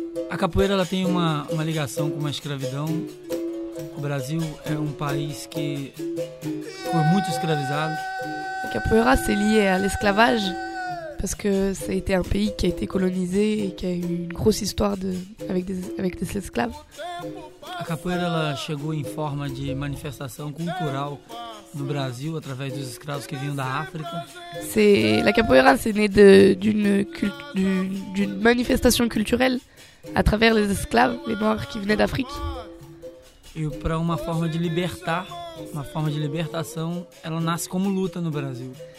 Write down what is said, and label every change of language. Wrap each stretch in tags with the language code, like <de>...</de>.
<fr>La capoeira, elle a une ligation avec l'esclavage. Le Brésil est un pays qui est beaucoup esclavisé. Capoeira, c'est lié à l'esclavage, parce que ça a été un pays qui a été colonisé et qui a eu une grosse histoire de, avec des esclaves.</fr> <pt>A capoeira ela chegou em forma de manifestação cultural no Brasil através dos escravos que vinham da África.</pt> <fr>C'est la capoeira c'est né de d'une manifestation culturelle à travers les esclaves, les noirs qui venaient d'Afrique.</fr> <pt>E para uma forma de libertação, ela nasce como luta no Brasil.</pt>